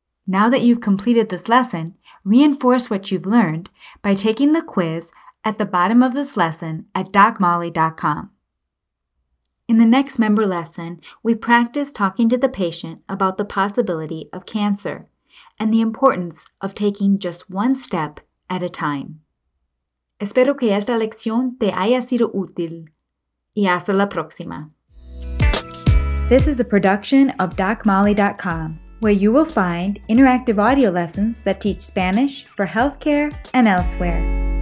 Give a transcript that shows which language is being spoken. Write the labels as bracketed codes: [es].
[en] Now that you've completed this lesson, reinforce what you've learned by taking the quiz at the bottom of this lesson at docmolly.com. In the next member lesson, we practice talking to the patient about the possibility of cancer and the importance of taking just one step at a time. [es] Espero que esta lección te haya sido útil. Y hasta la próxima. [en] This is a production of DocMolly.com, where you will find interactive audio lessons that teach Spanish for healthcare and elsewhere.